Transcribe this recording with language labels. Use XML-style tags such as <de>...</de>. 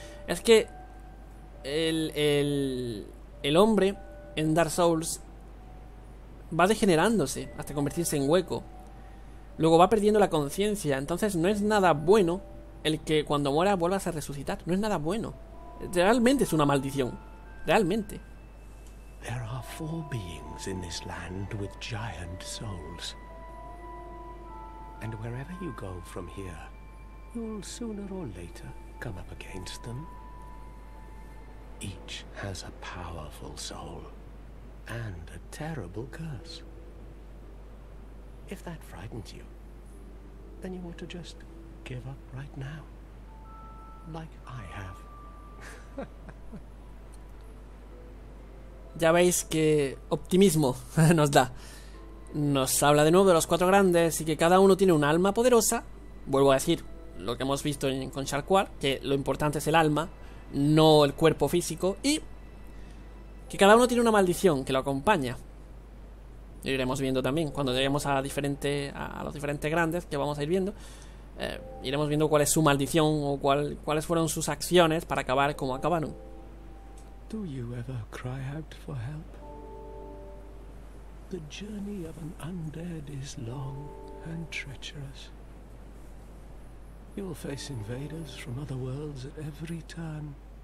<es>Es que el hombre en Dark Souls va degenerándose hasta convertirse en hueco. Luego va perdiendo la conciencia. Entonces no es nada bueno el que cuando muera vuelvas a resucitar. No es nada bueno. Realmente es una maldición. Realmente.</es> <en>There are four beings in this land with giant souls. And wherever you go from here, you'll sooner or later come up against them. Each has a powerful soul and a terrible curse. If that frightens you, then you ought to just give up right now, like I have.</en> <es>Ya veis que optimismo nos da. Nos habla de nuevo de los cuatro grandes y que cada uno tiene un alma poderosa. Vuelvo a decir lo que hemos visto con Sharkwar, que lo importante es el alma, no el cuerpo físico, y que cada uno tiene una maldición que lo acompaña. Lo iremos viendo también cuando lleguemos a los diferentes grandes que vamos a ir viendo. Iremos viendo cuál es su maldición o cuáles fueron sus acciones para acabar como acabaron.</es> <en>Do you ever cry out for help? The journey of an undead is long and treacherous. You'll face invaders from other worlds at every turn.</en>